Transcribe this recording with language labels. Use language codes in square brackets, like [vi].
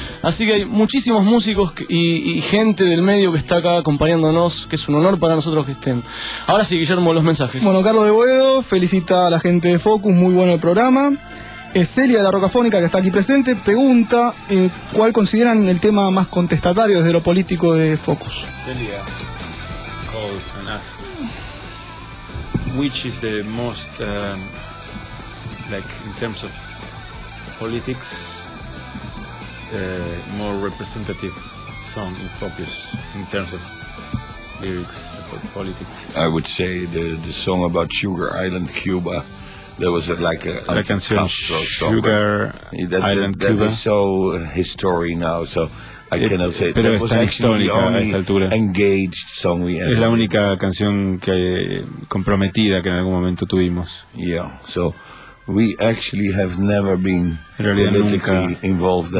[es] Así que hay muchísimos músicos y gente del medio que está acá acompañándonos, que es un honor para nosotros que estén. Ahora sí, Guillermo, los mensajes. Bueno, Carlos de Boedo felicita a la gente de Focus, muy bueno el programa. Celia de la Rocafónica, que está aquí presente, pregunta ¿cuál consideran el tema más contestatario desde lo político de Focus? [en] Celia and asks which is the most in terms of politics more representative song in Focus in terms of lyrics or politics. I would say the song about Sugar Island Cuba. There was [es] la canción Sugar Island [en] that Cuba is so history now, so I cannot say. [es] Pero está histórica a esta altura. [en] Engaged song we had. [es] Es la única canción que comprometida que en algún momento tuvimos. [en] Yeah, so we actually have never been politically involved that